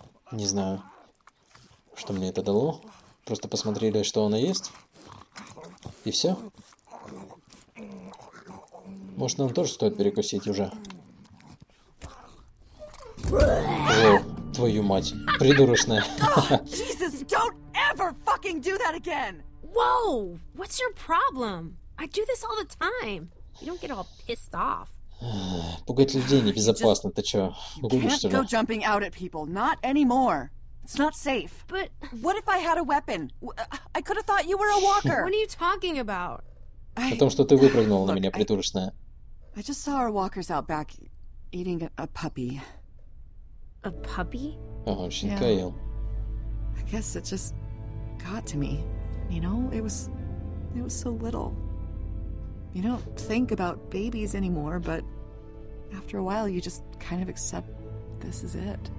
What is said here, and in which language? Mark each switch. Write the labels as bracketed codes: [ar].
[ru] Не знаю, что мне это дало. Просто посмотрели, что она ест. И все? Может, нам тоже стоит перекусить уже? О, твою мать, придурочная! [en] Jesus, don't ever fucking do that again! Whoa, what's your problem? I do this all the time. You don't get all pissed off. [ru] Пугать людей небезопасно. Ты чё, угодишь, что ли? [en] You can't go jumping out at people. Not anymore. It's not safe. But... What if I had a weapon? I could have thought you were a walker. What are you talking about? [ru] О том, что ты выпрыгнула на меня, притурочная. [en] I just saw our walkers out back eating a puppy. A puppy? [ru] Ага, щенка ел. [en] I guess it just got to me. You know, it was so little. You don't think about babies anymore, but after a while you just kind of accept this is it.